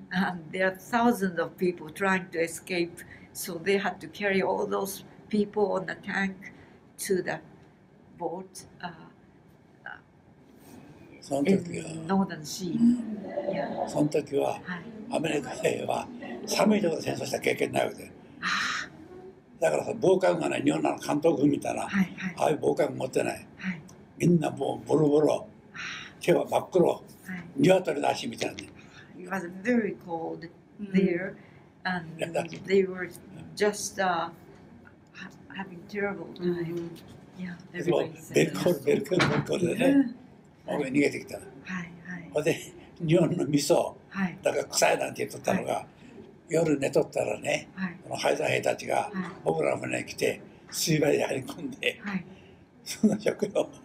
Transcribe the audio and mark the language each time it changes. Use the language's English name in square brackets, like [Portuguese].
[English] and there are thousands of people trying to escape so they had to carry all those people on the tank to the boat in Northern Sea [Japanese] その時はアメリカ兵は寒いところで戦争した経験ないわけだからさ防寒がない日本の関東軍みたいな、はいはい、ああいう防寒持ってない、はい、みんなもうボロボロ手は真っ黒、はい、鶏の足みたいな。 [English] It was very cold there,、mm. and they were just having terrible time.、Mm. Yeah, everybody said. ベルコール、ベルコール、ベルコール [Japanese] でね、お前逃げてきた。はいはい。で、日本の味噌、はい、だから臭いなんて言っとったのが、はい、夜寝とったらね、はい、この配膳兵たちが、はい、僕らの船に来て、水場に入り込んで、はい、その食料を。